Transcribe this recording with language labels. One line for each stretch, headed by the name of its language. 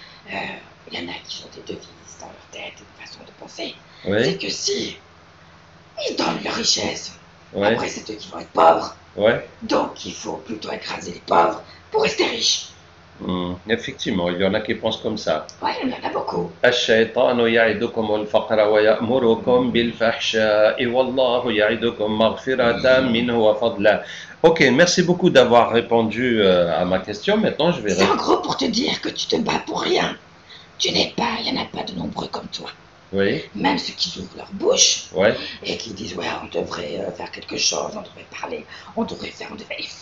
French: Il y en a qui ont des devises dans leur tête, une façon de penser. Oui. C'est que si ils donnent leur richesse, oui. Après c'est eux qui vont être pauvres. Oui. Donc il faut plutôt écraser les pauvres pour rester riches. Mmh. Effectivement, il y en a qui pensent comme ça. Oui, il y en a beaucoup.
Arabic: الشيطان يعدكم الفقر ويأمركم بالفحشاء والله يعدكم مغفرة منه وفضلا.
French: Ok, merci beaucoup d'avoir répondu à ma question. Maintenant, je vais. C'est en gros pour te dire que tu te bats pour rien. Tu n'es pas, il n'y en a pas de nombreux comme toi. Oui. Même ceux qui ouvrent leur bouche, ouais. Et qui disent ouais, on devrait faire quelque chose, on devrait parler, on devrait faire, on devrait.